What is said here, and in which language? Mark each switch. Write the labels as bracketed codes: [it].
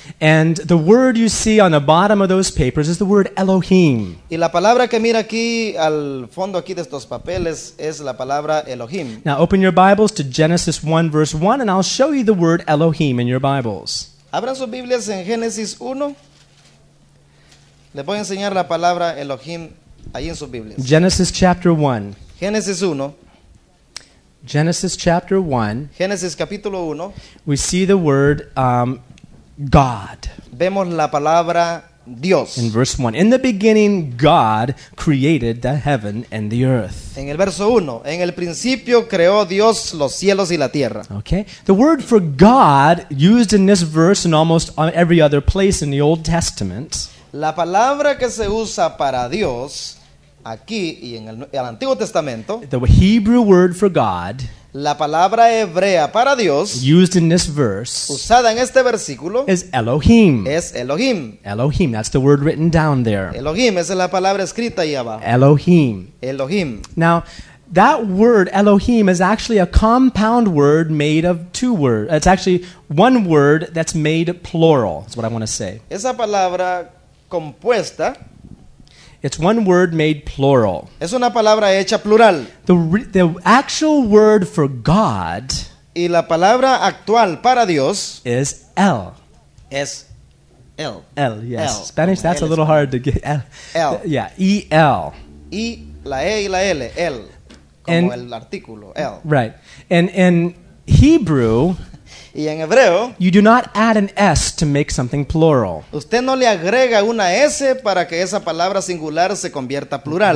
[en] And the word you see on the bottom of those papers is the word Elohim. [es] Y la palabra que mira aquí al fondo aquí de estos papeles es la palabra Elohim. [en] Now open your Bibles to Genesis 1 verse 1 and I'll show you the word Elohim in your Bibles. [es] Abran sus Biblias en Génesis 1. Les voy a enseñar la palabra Elohim ahí en sus Biblias. [en] Genesis chapter 1. [es] Génesis 1. [en] Genesis chapter 1. [es] Génesis capítulo 1. [en] We see the word God. [es] Vemos la palabra Dios. [en] In verse 1. In the beginning God created the heaven and the earth. [es] En el verso 1, en el principio creó Dios los cielos y la tierra. Okay? [en] The word for God used in this verse and almost on every other place in the Old Testament. [es] La palabra que se usa para Dios aquí y en el Antiguo Testamento, [en] the Hebrew word for God, [es] la palabra hebrea para Dios, [en] used in this verse, [es] usada en este versículo, [en] is Elohim. [es] Es Elohim. [en] Elohim, that's the word written down there. [es] Elohim, esa es la palabra escrita ahí abajo. [en] Elohim. [es] Elohim. [en] Now, that word Elohim is actually a compound word made of two words. It's actually one word that's made plural, is what I want to say. [es] Esa palabra compuesta. [en] It's one word made plural. [es] Es una palabra hecha plural. [en] The actual word for God. [es] Y la palabra actual para Dios [en] is El. [es] Es El. [en] El, yes. El. Spanish, that's a little hard to get. El. [es] El. [en] Yeah, E-L. [es] Y la E y la L, El. Como and, el artículo, El. [en] Right. And in Hebrew. [es] Y en hebreo, [en] you do not add an S to make something plural. [es] Usted no le agrega una S para que esa palabra singular se convierta plural.